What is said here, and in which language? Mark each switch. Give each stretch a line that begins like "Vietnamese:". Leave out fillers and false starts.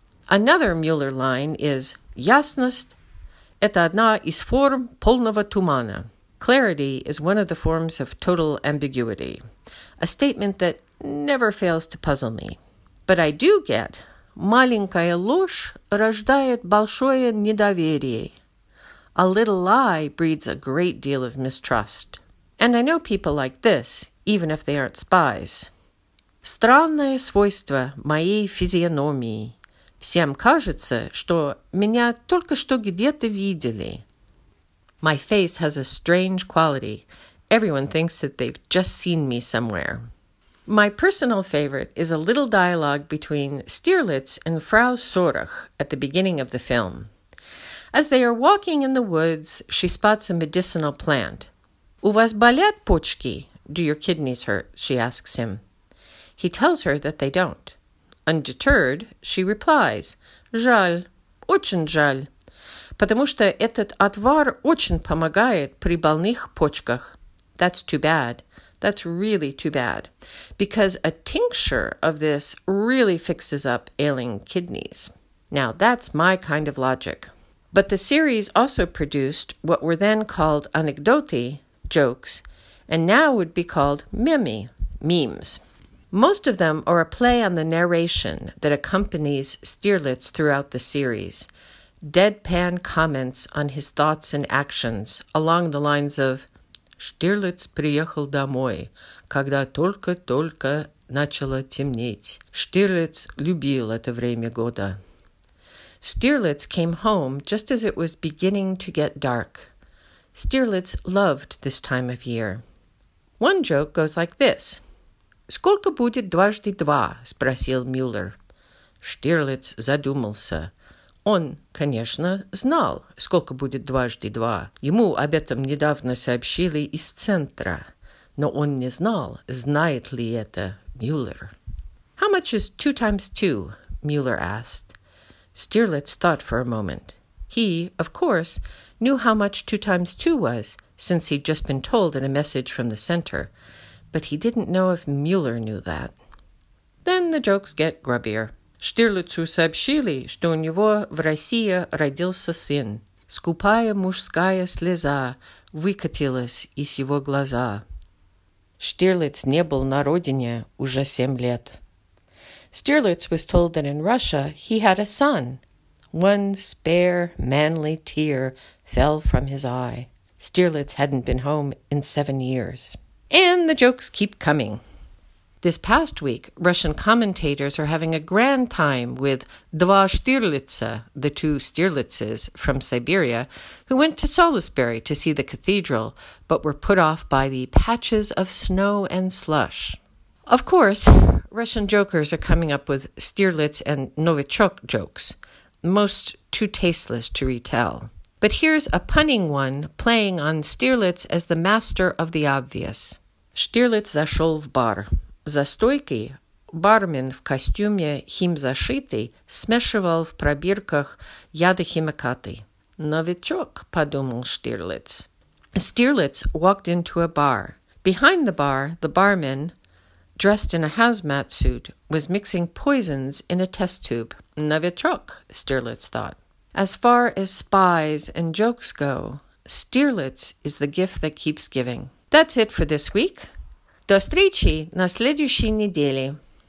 English: Another Müller line is,
Russian: «Ясность – это одна из форм полного тумана».
English: Clarity is one of the forms of total ambiguity, a statement that never fails to puzzle me. But I do get,
Russian: «Маленькая ложь рождает большое недоверие».
English: A little lie breeds a great deal of mistrust. And I know people like this, even if they aren't spies.
Russian: Странное свойство моей физиономии. Всем кажется, что меня только что где-то видели.
English: My face has a strange quality. Everyone thinks that they've just seen me somewhere. My personal favorite is a little dialogue between Stierlitz and Frau Sorach at the beginning of the film. As they are walking in the woods, she spots a medicinal plant.
Russian: У вас болят почки?
English: Do your kidneys hurt? She asks him. He tells her that they don't. Undeterred, she replies,
Russian: «Жаль, очень жаль, потому что этот отвар очень помогает при больных почках».
English: That's too bad. That's really too bad. Because a tincture of this really fixes up ailing kidneys. Now that's my kind of logic. But the series also produced what were then called anecdoti, jokes, and now would be called mimi, memes. Most of them are a play on the narration that accompanies Stierlitz throughout the series, deadpan comments on his thoughts and actions along the lines of
Russian: «Штирлиц приехал домой, когда только-только начало темнеть. Штирлиц любил это время года».
English: Stierlitz came home just as it was beginning to get dark. Stierlitz loved this time of year. One joke goes like this.
Russian: «Сколько будет дважды два?» спросил Мюллер. Штирлиц задумался. Он, конечно, знал, сколько будет дважды два. Ему об этом недавно сообщили из центра. Но он не знал, знает ли это Мюллер.
English: «How much is 2 times 2?» Мюллер asked. Stierlitz thought for a moment. He, of course, knew how much 2 times 2 was, since he'd just been told in a message from the center. But he didn't know if Mueller knew that. Then the jokes get grubbier.
Russian: Штирлицу сообщили, что у него в России родился сын. Скупая мужская слеза выкатилась из его глаза. Штирлиц не был на родине уже 7 лет.
English: Stierlitz was told that in Russia he had a son. One spare, manly tear fell from his eye. Stierlitz hadn't been home in 7 years. And the jokes keep coming. This past week, Russian commentators are having a grand time with Dva Stierlitsa, the 2 Stierlitzes from Siberia, who went to Salisbury to see the cathedral, but were put off by the patches of snow and slush. Of course, Russian jokers are coming up with Stierlitz and Novichok jokes, most too tasteless to retell. But here's a punning one playing on Stierlitz as the master of the obvious.
Russian: Stierlitz зашел в бар. За стойкой бармен в костюме химзащиты смешивал в пробирках яды химикаты. Новичок, подумал Стирлиц.
English: Stierlitz walked into a bar. Behind the bar, the barman, dressed in a hazmat suit, was mixing poisons in a test tube. Novichok, Stierlitz thought. As far as spies and jokes go, Stierlitz is the gift that keeps giving. That's it for this week.
Russian: До встречи на следующей неделе.